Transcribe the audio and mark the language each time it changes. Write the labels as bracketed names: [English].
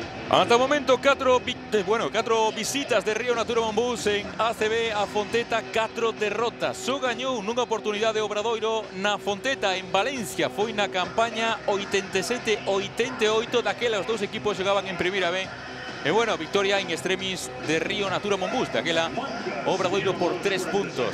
[Spanish] Hasta el momento, cuatro visitas de Río Natura Bambús en ACB a Fonteta, cuatro derrotas. [Galician] Só gañou nunha oportunidade de Obradoiro na Fonteta, en Valencia. Foi na campaña 87-88, daquela os dous equipos xogaban en primeira B. E bueno, victoria en extremis de Río Natura Bambús, daquela Obradoiro por 3 puntos.